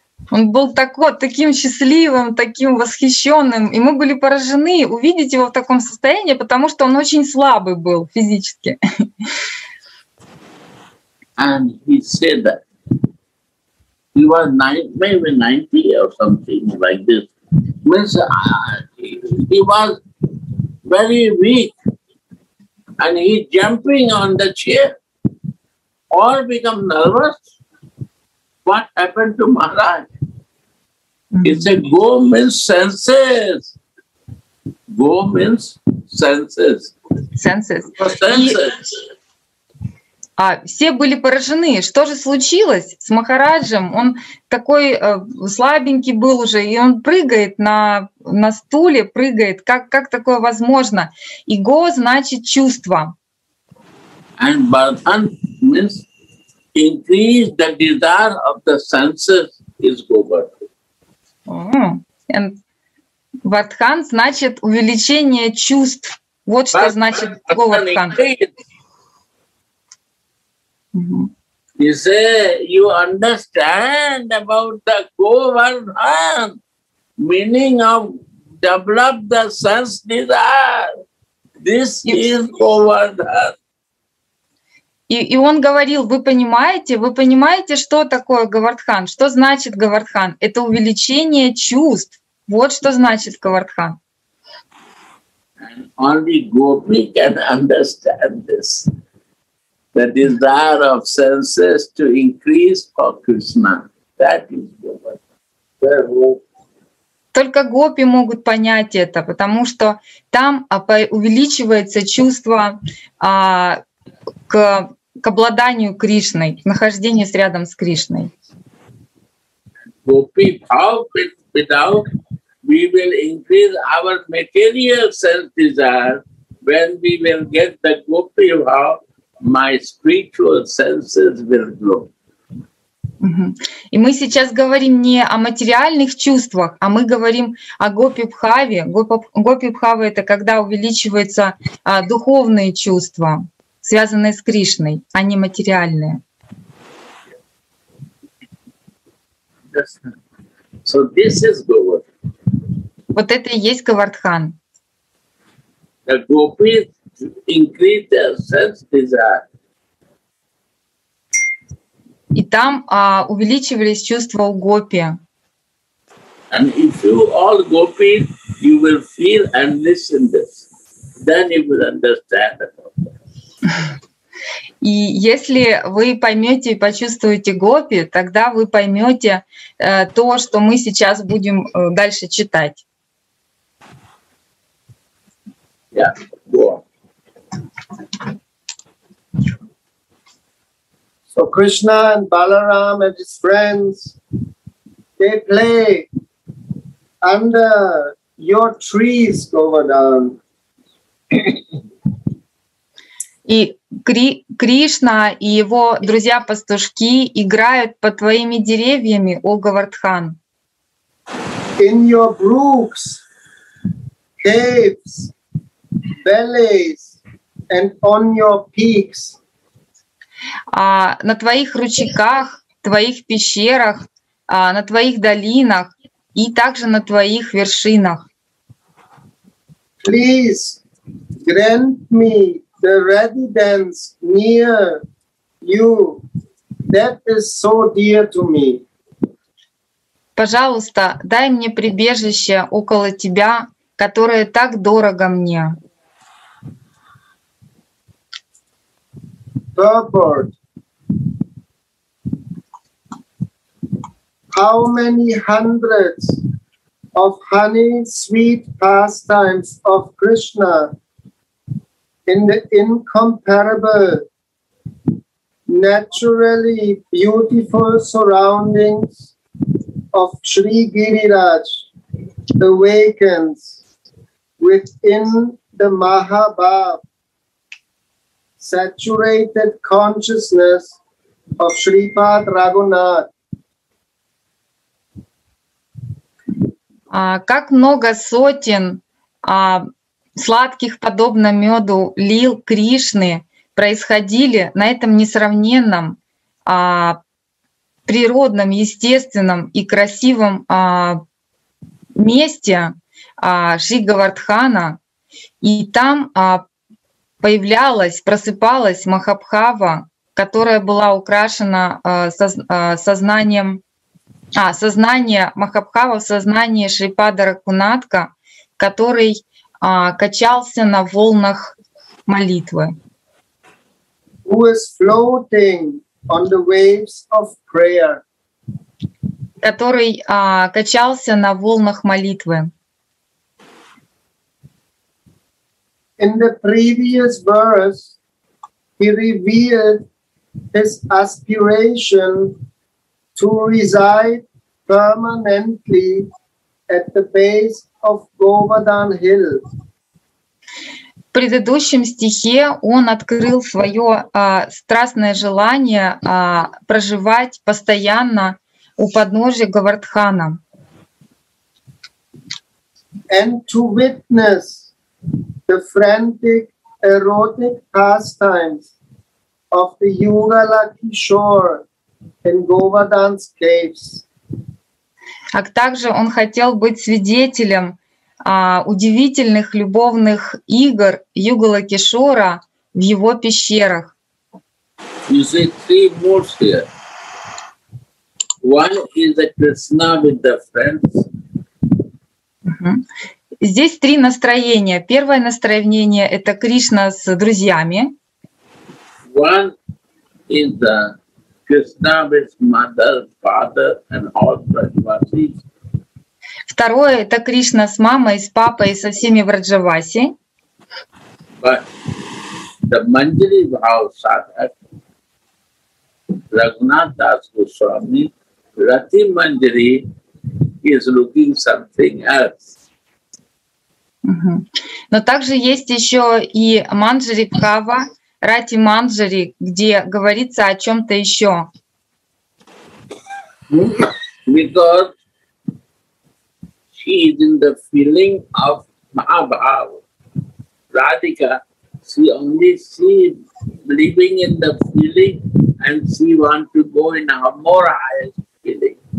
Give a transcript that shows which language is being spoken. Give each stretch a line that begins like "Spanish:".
Russian: Он был таким счастливым, таким восхищенным, и мы были поражены увидеть его в таком состоянии, потому что он очень слабый был физически.
English: And he said that he was 90 or something like this. Means he was very weak, and he jumping on the chair. All become nervous. What happened to Maharaj? He said, go means senses. Go means senses. Senses. Senses.
Russian: Все были поражены. Что же случилось с Махараджем? Он такой слабенький был уже, и он прыгает на стуле, прыгает. Как такое возможно? И go значит чувство.
English: And Bardhan means increase the desire of the senses is
Russian: Govardhan. Oh, Vardhan значит увеличение чувств. Вот что Vardhan, значит Govardhan.
English: You say you understand about the Govardhan meaning of develop the sense desire. This is Govardhan.
Russian: И он говорил, вы понимаете, что такое Говардхан? Что значит Говардхан? Это увеличение чувств. Вот что значит Говардхан.
English: And only gopi can understand this. The desire of senses to increase for Krishna. That is Govardhan.
Russian: Только гопи могут понять это, потому что там увеличивается чувство к обладанию Кришной, к нахождению рядом с Кришной.
English: Gopi without we will increase our material sense desire when we will get the gopi how my spiritual senses will grow.
Russian: И мы сейчас говорим не о материальных чувствах, а мы говорим о гопи-бхаве. Гопи-бхава — это когда увеличиваются духовные чувства, связанные с Кришной, а не материальные.
English: So this is Govardhan.
Russian: Вот это и есть Говардхан.
English: The gopis increase their sense desire.
Russian: И там увеличивались чувства у гопи.
English: And if you all gopis, you will feel and listen this. Then you will understand about that.
Russian: И если вы поймете и почувствуете гопи, тогда вы поймете то, что мы сейчас будем дальше читать.
English: Yeah, go on. So Krishna and Balaram and his friends, they play under your trees, Govardhan.
Russian: И Кришна и его друзья-пастушки играют под твоими деревьями, о Говардхан.
English: In your brooks, caves, valleys, and on your peaks.
Russian: на твоих ручейках, твоих пещерах, на твоих долинах и также на твоих вершинах.
English: Please grant me the residence near you that is so dear to me.
Russian: Пожалуйста, дай мне прибежище около тебя, которое так дорого мне.
English: Purport. How many hundreds of honey sweet pastimes of Krishna in the incomparable, naturally beautiful surroundings of Sri Giriraj awakens within the Mahabhav, saturated consciousness of Sri Pad Raghunath.
Russian: Как много сотен сладких, подобно меду, лил Кришны происходили на этом несравненном, природном, естественном и красивом месте Шри-Гавардхана, и там появлялась, просыпалась Махабхава, которая была украшена сознанием, сознание Махабхава в сознании Шрипада Рагунатха, который качался на волнах молитвы.
English: Who is floating on the waves of prayer?
Russian: Который качался на волнах молитвы.
English: In the previous verse, he revealed his aspiration to reside permanently at the base of Govardhan Hill.
Russian: В предыдущем стихе он открыл свое страстное желание проживать постоянно у подножия Говардхана.
English: And to witness the frantic erotic pastimes of the Yugala Kishore in Govardhan's caves.
Russian: А также он хотел быть свидетелем удивительных любовных игр Югала Кишора в его пещерах.
English: Is it three modes here? One is the Krishna with the friends.
Russian: Здесь три настроения. Первое настроение — это Кришна с друзьями.
English: One is the Krishna with mother, father and all Vrajavasis.
Russian: Второе — это Кришна с мамой, с папой и со всеми Враджаваси.
English: But the Manjari Bhav Sadhak, Raghunath Das Goswami, Rati Manjari is looking something else.
Russian: Но также есть еще и Манджари Бхава, Рати Манджари, где говорится о чем-то еще.
English: Because she is in the feeling of Mahabhav. Radhika, she only sees living in the feeling and she wants to go in a more highest feeling.